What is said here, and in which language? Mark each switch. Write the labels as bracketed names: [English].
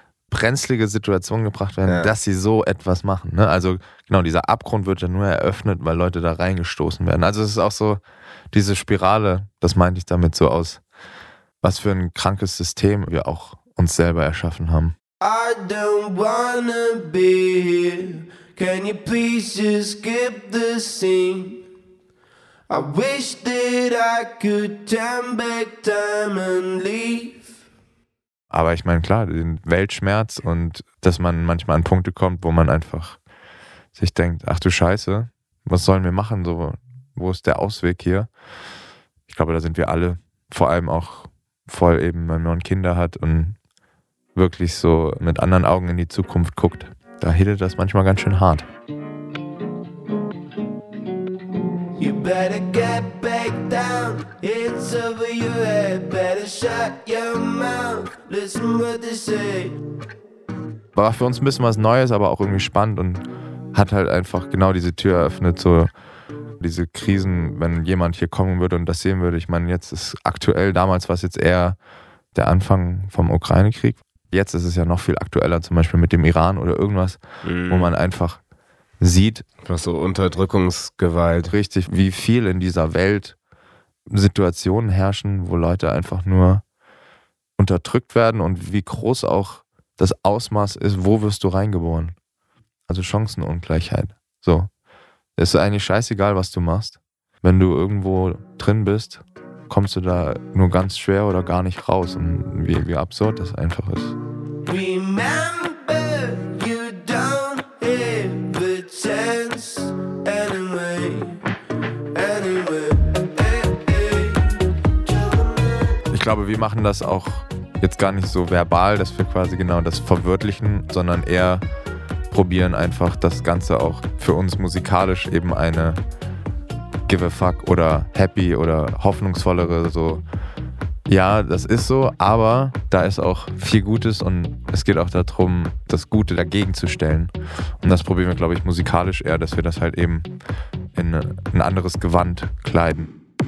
[German] brenzlige Situation gebracht werden, ja, dass sie so etwas machen. Ne? Also genau, dieser Abgrund wird ja nur eröffnet, weil Leute da reingestoßen werden. Also es ist auch so, diese Spirale, das meinte ich damit so aus, was für ein krankes System wir auch uns selber erschaffen haben. [English] I don't wanna be here. Can you please just skip the scene? I wish that I could turn back time and leave. [German] Aber ich meine, klar, den Weltschmerz und dass man manchmal an Punkte kommt, wo man einfach sich denkt, ach du Scheiße, was sollen wir machen? So, wo ist der Ausweg hier? Ich glaube, da sind wir alle, vor allem auch voll eben, wenn man Kinder hat und wirklich so mit anderen Augen in die Zukunft guckt. Da hittet das manchmal ganz schön hart. [English] You better get back down. It's over your head. Better shut your mouth. Listen what they say. [German] War für uns ein bisschen was Neues, aber auch irgendwie spannend und hat halt einfach genau diese Tür eröffnet, so diese Krisen, wenn jemand hier kommen würde und das sehen würde. Ich meine, jetzt ist aktuell, damals war es jetzt eher der Anfang vom Ukraine-Krieg. Jetzt ist es ja noch viel aktueller, zum Beispiel mit dem Iran oder irgendwas, wo man einfach sieht. Was so Unterdrückungsgewalt. Richtig, wie viel in dieser Welt Situationen herrschen, wo Leute einfach nur unterdrückt werden und wie groß auch das Ausmaß ist, wo wirst du reingeboren? Also Chancenungleichheit. So. Es ist eigentlich scheißegal, was du machst. Wenn du irgendwo drin bist, kommst du da nur ganz schwer oder gar nicht raus. Und wie absurd das einfach ist. [English] Remember, you don't have a chance anyway. Anyway, [German] ich glaube, wir machen das auch jetzt gar nicht so verbal, dass wir quasi genau das verwirklichen, sondern eher probieren einfach das Ganze auch für uns musikalisch eben eine [English] give a fuck [German] oder happy oder hoffnungsvollere, so ja, das ist so, aber da ist auch viel Gutes und es geht auch darum, das Gute dagegen zu stellen und das probieren wir, glaube ich, musikalisch eher, dass wir das halt eben in ein anderes Gewand kleiden.